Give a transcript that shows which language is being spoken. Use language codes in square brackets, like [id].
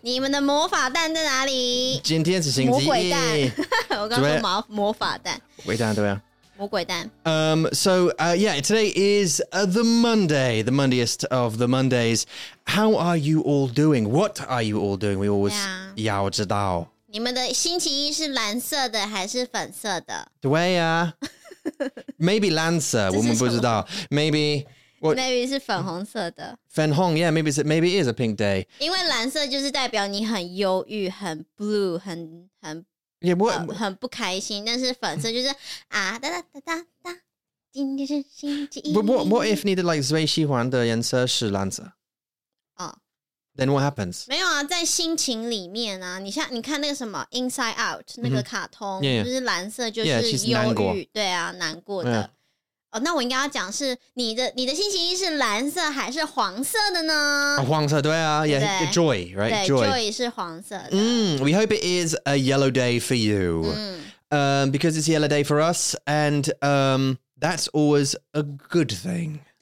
[zh] 你们的魔法蛋在哪里？今天是星期一。魔鬼蛋。我刚刚说魔法蛋。鬼蛋对啊。魔鬼蛋。 [en] Today is the Monday, the Mondayest of the Mondays. How are you all doing? What are you all doing? We always [zh] 要知道。你们的星期一是蓝色的还是粉色的？对啊。 [en] Maybe [zh] Lancer, 我们不知道。Maybe, what? Maybe 是粉红色的。 [en] 粉红, yeah, maybe it is a pink day. [zh] 因为蓝色就是代表你很忧郁,很 blue, 很, [en] yeah, what? [zh] 很不开心,但是粉色就是, 啊, 哒哒哒哒哒, 今天是星期一。 [en] But what if [zh] 你的, like, 最喜欢的颜色是蓝色? [en] Oh. Then what happens? [zh] 没有啊,在心情里面啊,你像,你看那个什么, Inside Out, 那个卡通, [en] mm-hmm. yeah. [zh] 就是蓝色就是忧郁, [en] yeah, [zh] 难过。对啊,难过的。 Yeah. 哦,那我应该要讲是,你的星期一是蓝色还是黄色的呢? Oh, 黄色,对啊, yeah, 对对 [en] joy, right? [zh] 对, joy 是黄色的。 [en] We hope it is a yellow day for you. Because it's a yellow day for us, and that's always a good thing.